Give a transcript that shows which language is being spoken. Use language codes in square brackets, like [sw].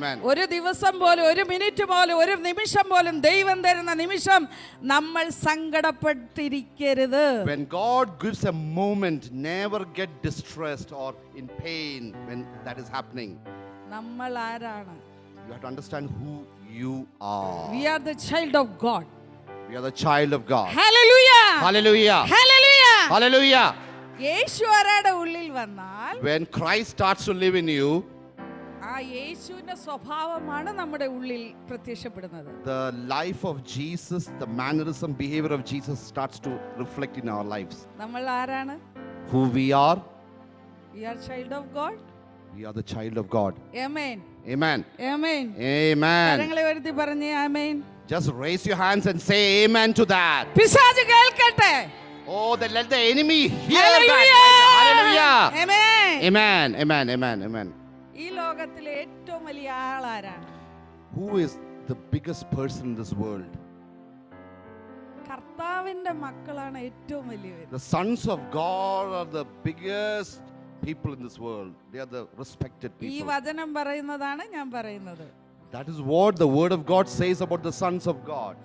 [ml] ഒരു ദിവസം പോലും ഒരു മിനിറ്റ് പോലും ഒരു നിമിഷം പോലും ദൈവം തരുന്ന നിമിഷം നമ്മൾ സങ്കടപ്പെട്ടിരിക്കരുത്. [en] When God gives a moment, never get distressed or in pain when that is happening. [ml] നമ്മൾ ആരാണ്? [en] You have to understand who you are. We are the child of God. We are the child of God. Hallelujah. Hallelujah. Hallelujah. Hallelujah. [ml] യേശു ആരുടെ ഉള്ളിൽ വന്നാൽ, [en] when Christ starts to live in you, [ml] ആ യേശുവിന്റെ സ്വഭാവമാണ് നമ്മുടെ ഉള്ളിൽ പ്രത്യക്ഷപ്പെടുന്നത്. [en] The life of Jesus, the mannerism, behavior of Jesus starts to reflect in our lives. [ml] നമ്മൾ ആരാണ്? [en] Who we are? We are child of God. We are the child of God. Amen. Amen. Amen. Amen. [ml] കരങ്ങളെ ഉയർത്തി പറഞ്ഞേ ആമേൻ. [en] Just raise your hands and say amen to that. [ml] പിശാച് കേൾക്കട്ടെ. [en] Oh, then let the enemy hear. Hallelujah. That. Hallelujah. Amen. Amen. Amen. Amen. Amen. [ml] ഈ ലോകത്തിലെ ഏറ്റവും വലിയ ആളാരാണ്? [en] Who is the biggest person in this world? [ml] കർത്താവിന്റെ മക്കളാണ് ഏറ്റവും വലിയവർ. [en] The sons of God are the biggest people in this world. They are the respected people. [ml] ഈ വചനം പറയുന്നതാണ് ഞാൻ പറയുന്നത്. [en] That is what the word of God says about the sons of God.